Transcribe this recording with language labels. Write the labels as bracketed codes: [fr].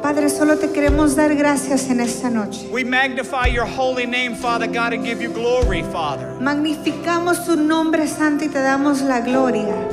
[es] Padre, solo te queremos dar gracias en esta noche. [en] We magnify your holy name, Father God, and give you glory, Father. [es] Magnificamos tu nombre santo y te damos la gloria.